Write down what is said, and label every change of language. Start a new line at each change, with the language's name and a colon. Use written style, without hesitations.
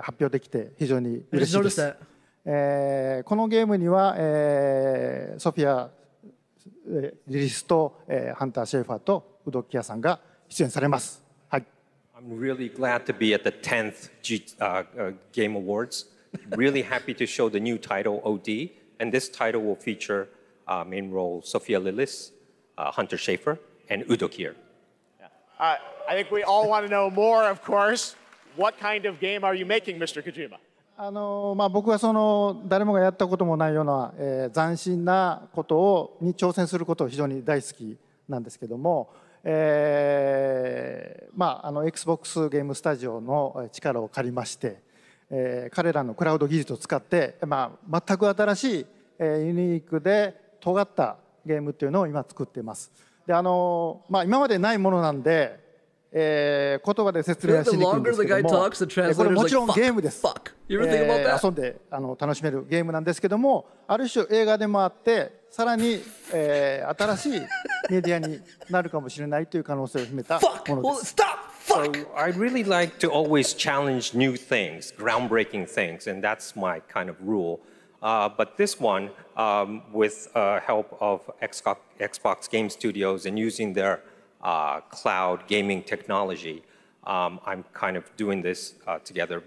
Japanese: 発表できて非常に嬉しいです。
English: I just noticed that.
Japanese: このゲームには、ソフィアリリスと、ハンター・シェファーとウドキアさんが出演されます、はい、
English: I'm really glad to be at the 10th Game Awards. Really happy to show the new title OD and this title will featureMain role, Sophia Lillis, Hunter Schafer, and Udo Kier. I think we all want to know more, of course. What kind of game are you making, Mr. Kojima?
Japanese: まあ、僕はその誰もがやったこともないような、斬新なことをに挑戦することを非常に大好きなんですけども、まあ、Xbox ゲームスタジオの力を借りまして、彼らのクラウド技術を使って、まあ、全く新しい、ユニークで尖ったゲームっていうのを今作っています。で、まあ、今までないものなんで、言葉で説明はしにくいんですけども、これもちろんゲームです。遊んで楽しめるゲームなんですけども、ある種映画でもあって、さらに、新しいメディアになるかもしれないという可能性を秘めたものです。
English: Stop! So I really like to always challenge new things, groundbreaking things, and that's my kind of rule. But this one, with help of Xbox Game Studios and using their cloud gaming technology, I'm kind of doing this together.